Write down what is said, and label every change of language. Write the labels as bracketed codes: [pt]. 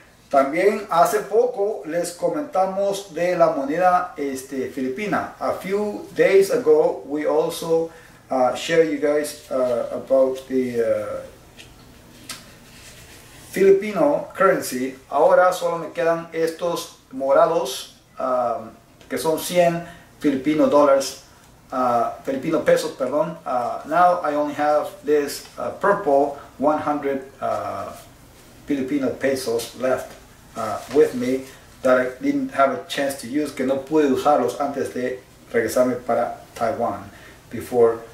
[es] También hace poco les comentamos de la moneda filipina. [en] A few days ago we also shared you guys about the Filipino currency. [es] Ahora solo me quedan estos morados que son 100 [en] Filipino dollars, Filipino pesos, [es] perdón. [en] Now I only have this purple 100 Filipino pesos left with me that I didn't have a chance to use, [es] que no pude usarlos antes de regresarme para Taiwan, [en] before